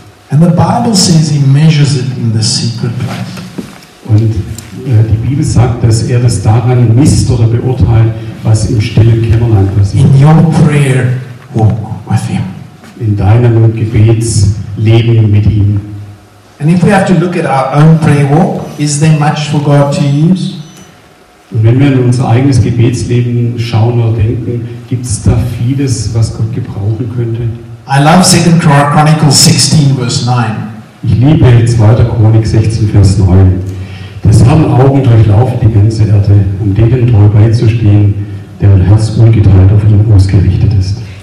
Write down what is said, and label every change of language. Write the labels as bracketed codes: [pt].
[en] And the Bible says he measures it in the secret place. [de] Und Die Bibel sagt, dass er das daran misst oder beurteilt, was im stillen Kämmerlein passiert. [en] In your prayer walk with him. [de] In deinem Gebetsleben mit ihm. [en] And if we have to look at our own prayer walk, is there much for God to use? [de] Und wenn wir in unser eigenes Gebetsleben schauen oder denken, gibt es da vieles, was Gott gebrauchen könnte? [en] I love 2 Chronicles 16, verse 9. [de] Ich liebe 2. Chronik 16, Vers 9. Des Herrn Augen durchlaufen die ganze Erde, um denen treu beizustehen, deren Herz ungeteilt auf ihn ausgerichtet ist.